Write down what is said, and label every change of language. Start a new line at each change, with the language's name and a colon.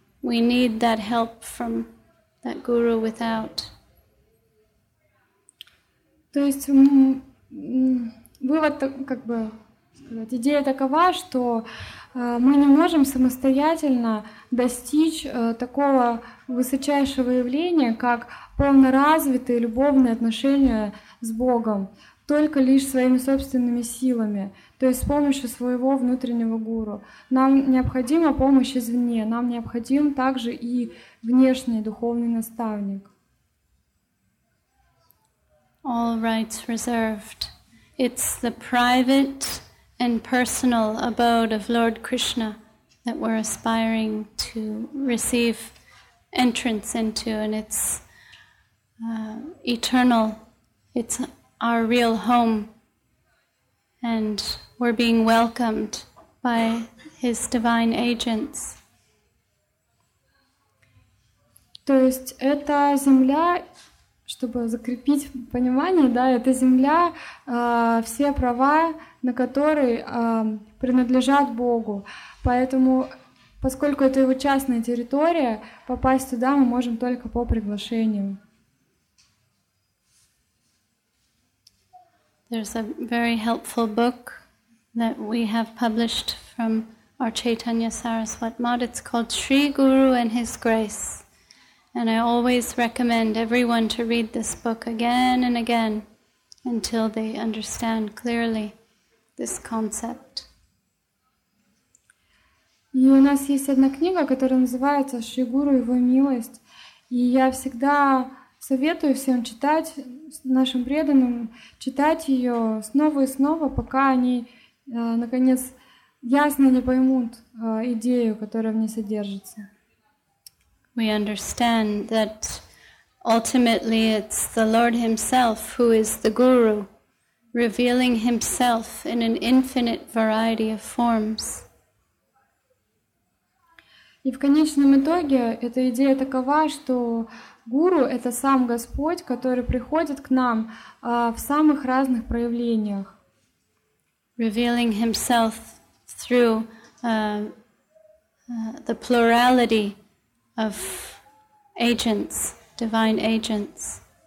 English: We need that help from that Guru without.
Russian: То есть вывод, как бы сказать, идея такова, что мы не можем самостоятельно достичь такого высочайшего явления, как полноразвитые любовные отношения с Богом, только лишь своими собственными силами, то есть с помощью своего внутреннего гуру. Нам необходима помощь извне, нам необходим также и внешний духовный наставник.
English: All rights reserved. It's the private and personal abode of Lord Krishna that we're aspiring to receive entrance into, and it's eternal. It's our real home, and we're being welcomed by His divine agents.
Russian: То есть это земля. Чтобы закрепить понимание, да, это земля, все права, на которые принадлежат Богу. Поэтому, поскольку это его частная территория, попасть туда мы можем только по приглашению.
English: There's a very helpful book that we have published from our Chaitanya Saraswat Mod. It's called Sri Guru and His Grace. And I always recommend everyone to read this book again and again until they understand clearly this concept.
Russian: И у нас есть одна книга, которая называется «Шри Гуру и его милость». И я всегда советую всем читать, нашим преданным, читать ее снова и снова, пока они, наконец, ясно не поймут идею, которая в ней содержится.
English: We understand that ultimately it's the Lord Himself who is the Guru, revealing Himself in an infinite variety of forms.
Russian: И в конечном итоге эта идея такова, что Гуру — это сам Господь, который приходит к нам в самых разных проявлениях.
English: Revealing Himself through the plurality of agents, divine agents.